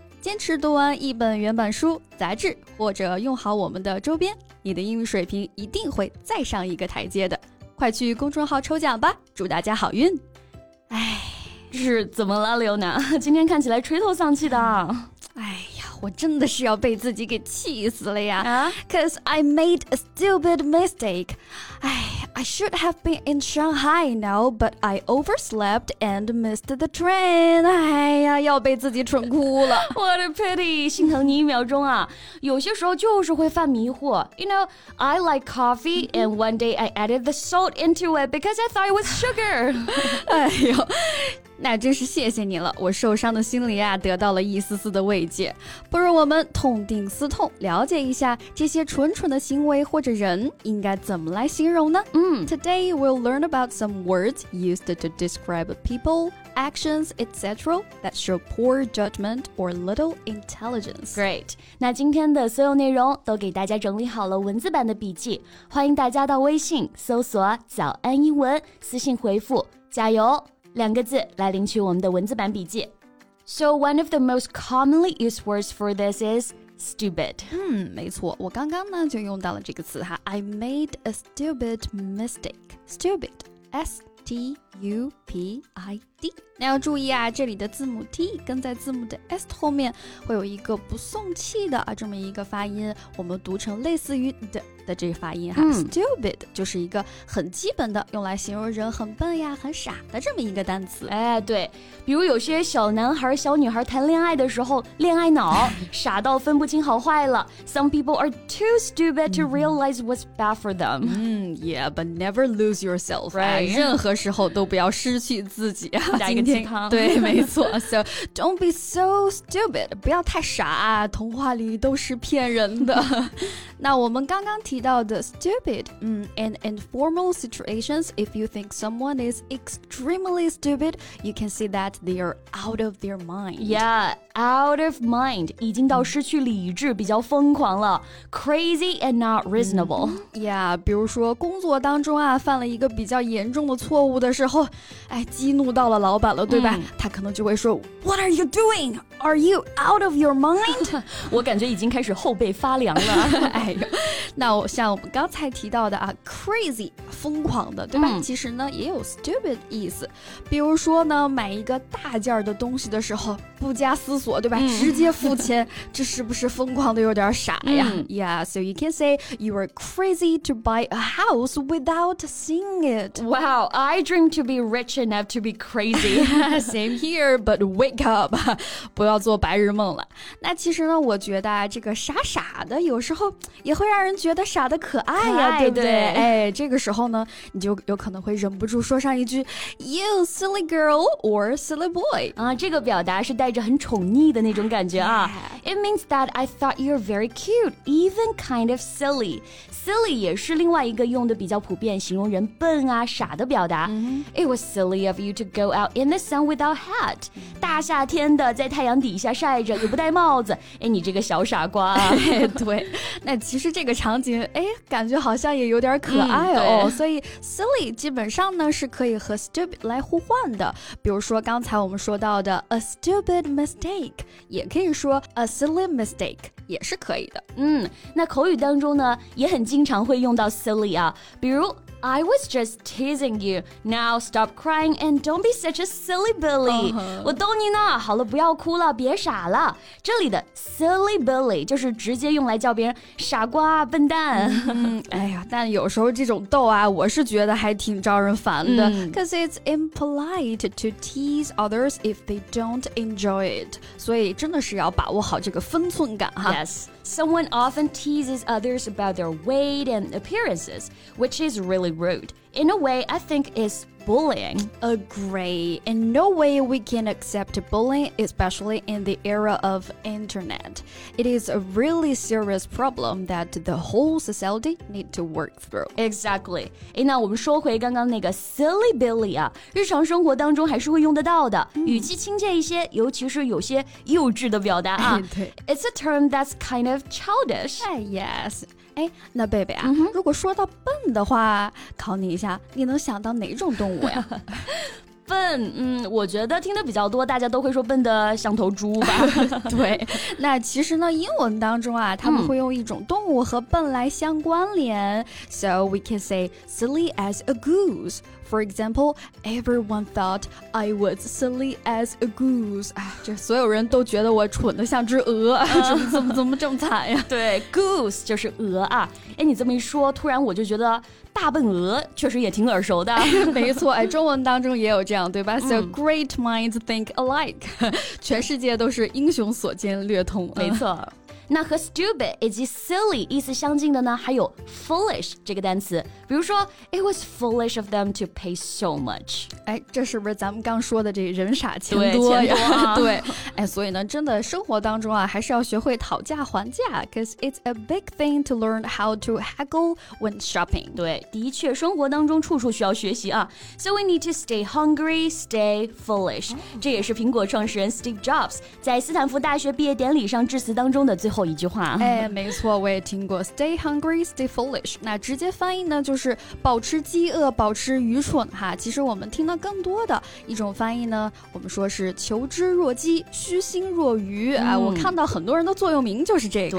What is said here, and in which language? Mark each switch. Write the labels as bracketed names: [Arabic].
[Chinese] 坚持读完一本原版书、杂志或者用好我们的周边，你的英语水平一定会再上一个台阶的。快去公众号抽奖吧，祝大家好运。哎，是怎么了刘娜？今天看起来垂头丧气的。我真的是要被自己给气死了呀、啊、 [English] Cause I made a stupid mistake. I should have been in Shanghai now, but I overslept and missed the train. [Chinese] 哎呀，要被自己蠢哭了。 [English] What a pity. [Chinese] 心疼你一秒钟啊。有些时候就是会犯迷惑。 [English] You know, I like coffee, and one day I added the salt into it because I thought it was sugar. [Chinese] 哎呦。那真是谢谢你了，我受伤的心灵啊得到了一丝丝的慰藉。不如我们痛定思痛，了解一下这些蠢蠢的行为或者人应该怎么来形容呢？ [English] Today we'll learn about some words used to describe people, actions, etc. that show poor judgment or little intelligence. Great. [Chinese] 那今天的所有内容都给大家整理好了文字版的笔记，欢迎大家到微信搜索早安英文，私信回复加油两个字来领取我们的文字版笔记。 [English] So one of the most commonly used words for this is stupid. [Chinese] 没错，我刚刚呢就用到了这个词哈。 [English] I made a stupid mistake. Stupid. S-T-U-P-I-D. [Chinese] 那要注意啊，这里的字母 T 跟在字母的 S 后面会有一个不送气的啊，这么一个发音，我们读成类似于的这个发音哈。 Stupid 就是一个很基本的用来形容人很笨呀很傻的这么一个单词。哎，对，比如有些小男孩小女孩谈恋爱的时候恋爱脑傻到分不清好坏了。 [English] Some people are too stupid to realize what's bad for them. Yeah, but never lose yourself. Right. [Chinese] 任何时候都不要失去自己啊。加一个鸡汤。对，没错。 [English] So don't be so stupid. [Chinese] 不要太傻啊，童话里都是骗人的。那我们刚刚提到的 [English] stupid, in informal situations, if you think someone is extremely stupid, you can say that they are out of their mind. [Chinese] Yeah, out of mind, 已经到失去理智比较疯狂了 [English] crazy and not reasonable. [Chinese] Yeah, 比如说工作当中啊犯了一个比较严重的错误的时候，哎，激怒到了老板了，对吧？他可能就会说 [English] What are you doing? Are you out of your mind? [Chinese] 我感觉已经开始后背发凉了。哎呦，那我像我们刚才提到的啊 crazy 疯狂的，对吧？其实呢也有 stupid 意思，比如说呢买一个大件的东西的时候不加思索，对吧？直接付钱，这是不是疯狂的有点傻呀？ [English] Yeah, so you can say you are crazy to buy a house without seeing it. Wow, I dream to be rich enough to be crazy. Same here, but wake up. [Chinese] 不要做白日梦了。那其实呢我觉得这个傻傻的有时候也会让人觉得傻得可爱呀，对不对？哎，这个时候呢你就有可能会忍不住说上一句 [English] You silly girl or silly boy. [Chinese] 这个表达是带着很宠溺的那种感觉啊。 [English] It means that I thought you're very cute, even kind of silly. [Chinese] Silly 也是另外一个用的比较普遍形容人笨啊傻的表达。 [English] It was silly of you to go out in the sun without hat. [Chinese] 大夏天的在太阳底下晒着也不戴帽子。哎，你这个小傻瓜啊。对。那其实这个场景哎，感觉好像也有点可爱哦。所以 silly 基本上呢是可以和 stupid 来互换的。比如说刚才我们说到的 a stupid mistake, 也可以说 a silly mistake, 也是可以的。那口语当中呢也很经常会用到 silly 啊。比如 [English] I was just teasing you. Now stop crying and don't be such a silly billy. [Chinese] 我逗你呢，好了，不要哭了，别傻了。这里的 silly billy 就是直接用来叫别人傻瓜、笨蛋。哎呀，但有时候这种逗啊，我是觉得还挺招人烦的。 [English] Because it's impolite to tease others if they don't enjoy it. [Chinese] 所以真的是要把握好这个分寸感哈。 [English] Yes. Someone often teases others about their weight and appearances, which is really really rude. In a way, I think it's bullying. Agree. In no way we can accept bullying, especially in the era of internet. It is a really serious problem that the whole society needs to work through. Exactly. [Chinese] 诶，那我们说回刚刚那个 silly Billy 啊，日常生活当中还是会用得到的，语气亲切一些，尤其是有些幼稚的表达啊。 [English] It's a term that's kind of childish. Yes. [Chinese] 哎，那贝贝啊，如果说到笨的话，考你一下，你能想到哪种动物呀？笨，我觉得听得比较多，大家都会说笨得像头猪吧。对，那其实呢，英文当中啊，他们会用一种动物和笨来相关联。 [English] So we can say silly as a goose. For example, everyone thought I was silly as a goose. [Chinese] 哎，这所有人都觉得我蠢得像只鹅，怎么这么惨呀？对 ，goose 就是鹅啊。哎，你这么一说，突然我就觉得。大笨鹅确实也挺耳熟的没错哎，中文当中也有这样对吧 [English] So great minds think alike [Chinese] 全世界都是英雄所见略同没错那和 stupid 以及 silly 意思相近的呢还有 foolish 这个单词比如说 [English] It was foolish of them to pay so much [Chinese] 哎，这是不是咱们刚说的这人傻钱多呀 对, 钱多、啊、对哎，所以呢真的生活当中啊还是要学会讨价还价 [English] Because it's a big thing to learn how to haggle when shopping [Chinese] 对的确生活当中处处需要学习啊 [English] So we need to stay hungry, stay foolish、 [Chinese] 哦、这也是苹果创始人 Steve Jobs 在斯坦福大学毕业典礼上致辞当中的最后一句话、啊、哎，没错我也听过 [English] stay hungry stay foolish [Chinese] 那直接翻译呢就是保持饥饿保持愚蠢哈其实我们听到更多的一种翻译呢我们说是求知若饥虚心若愚、哎、我看到很多人的座右铭就是这个